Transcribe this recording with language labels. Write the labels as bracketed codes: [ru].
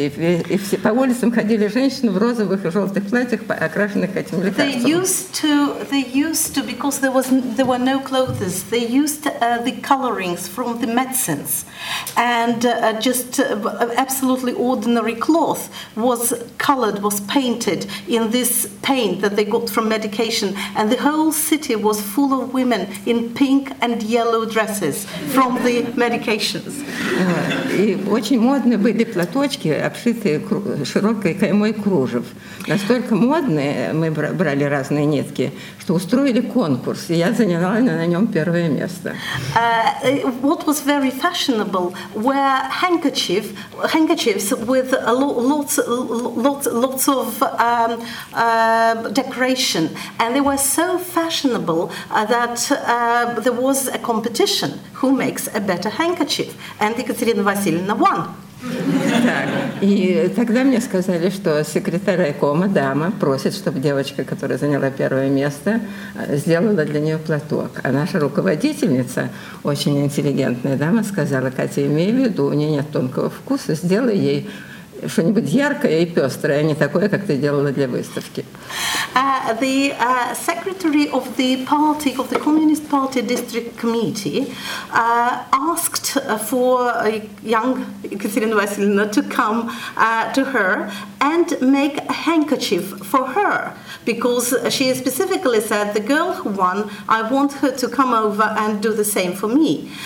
[ru] И все, по улицам ходили женщины в розовых и желтых платьях, окрашенных этим лекарством. [en] They used to, because there were no clothes, they used the colorings from the medicines. And just absolutely ordinary cloth was colored, was painted in this paint that they got from medication. And the whole city was full of women in pink and yellow dresses from the medication. [ru] И очень модны были платочки, обшитые широкой каймой кружев. Настолько модные, мы брали разные нитки, что устроили конкурс, и я заняла на нем первое место. [en] What was very fashionable were handkerchiefs with lots of decoration. And they were so fashionable that there was a competition. Who makes a better handkerchief? And Екатерина Васильевна won. [ru] Так, и тогда мне сказали, что секретарь райкома, дама, просит, чтобы девочка, которая заняла первое место, сделала для нее платок. А наша руководительница, очень интеллигентная дама, сказала, Катя, имей в виду, у нее нет тонкого вкуса, сделай ей что-нибудь яркое и пестрое, а не такое, как ты делала для выставки. [en] The secretary of the party, of the Communist Party District Committee, asked for young Екатерина Васильевна to come to her and make a handkerchief for her, because she specifically said, the girl who won, I want her to come over and do the same for me.